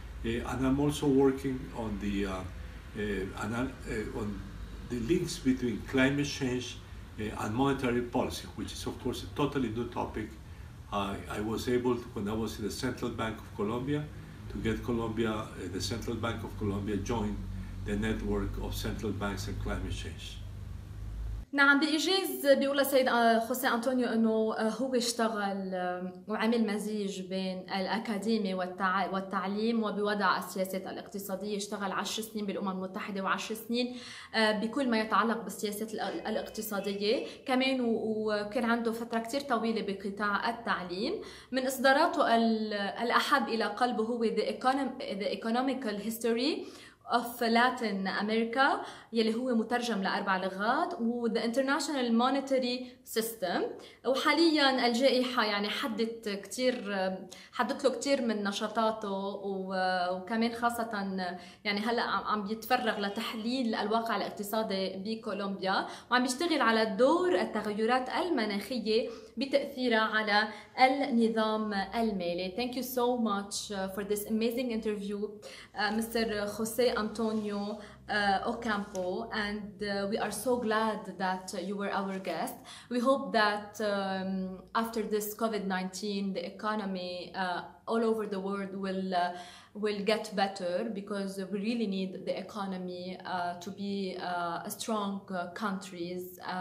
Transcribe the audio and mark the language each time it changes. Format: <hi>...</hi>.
<en>And I'm also working on the links between climate change and monetary policy, which is of course a totally new topic. I was able to, when I was in the Central Bank of Colombia, to get Colombia, the Central Bank of Colombia, join the network of central banks and climate change.</en> <ar>نعم، بإجاز بيقول السيد José Antonio إنه هو اشتغل وعمل مزيج بين الأكاديمي والتعليم، وبوضع السياسات الاقتصادية اشتغل 10 سنين بالأمم المتحدة و10 سنين بكل ما يتعلق بالسياسات الاقتصادية كمان، وكان عنده فترة كتير طويلة بقطاع التعليم. من إصداراته الأحب إلى قلبه هو The Economical History of Latin America يلي هو مترجم لأربع لغات، و The International Monetary System. وحاليا الجائحة يعني حدت له كتير من نشاطاته، وكمان خاصة يعني هلأ عم بيتفرغ لتحليل الواقع الاقتصادي بكولومبيا، وعم بيشتغل على دور التغيرات المناخية بتأثيرها على النظام المالي.</ar> <en>Thank you so much for this amazing interview, Mr. José Antonio Ocampo, and we are so glad that you were our guest. We hope that after this COVID-19, the economy all over the world will get better, because we really need the economy to be a strong countries.</en>